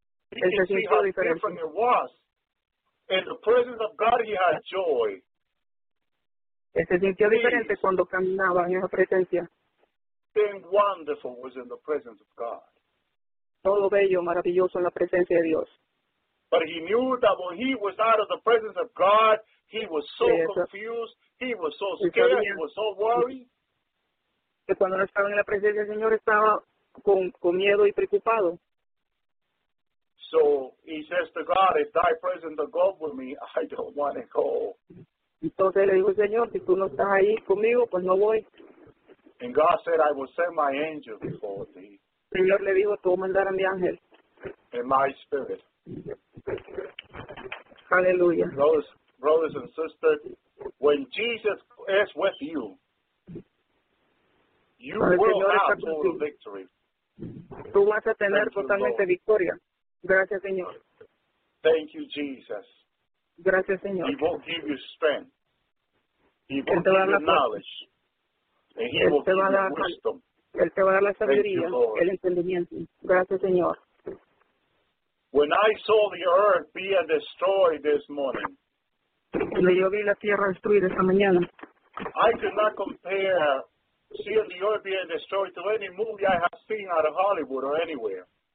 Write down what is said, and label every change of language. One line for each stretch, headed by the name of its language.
English: He could see how different it was. In the presence of God, he had joy.
Spanish: Él se sintió diferente cuando caminaba en esa presencia.
English: Something wonderful was in the presence of God.
Spanish: Todo bello, maravilloso en la presencia de Dios.
English: But he knew that when he was out of the presence of God, he was so confused, he was so scared, he was so worried.
Spanish: Que cuando no estaba en la presencia del Señor, estaba con miedo y preocupado.
English: So he says to God, if thy presence will go with me, I don't want to go.
Spanish: Entonces le dijo, Señor, si tú no estás ahí conmigo, pues no voy.
English: And God said, I will send my angel before thee.
Spanish: Señor le dijo, tú mandarás a mi ángel.
English: In my spirit. Hallelujah. Brothers and sisters, when Jesus is with you, you will have total victory.
Spanish: Tú vas a tener totalmente victoria. Gracias, Señor.
English: Thank you, Jesus.
Spanish: Gracias, Señor.
English: He will give you strength. He will give you knowledge. And he will give you wisdom.
Spanish: Él te va a dar la sabiduría, el entendimiento. Gracias, Señor.
English: When I saw the earth being destroyed this morning,
Spanish: yo vi la tierra destruida esta mañana.
English: I could not compare seeing the earth being destroyed to any movie I have seen out of Hollywood or anywhere.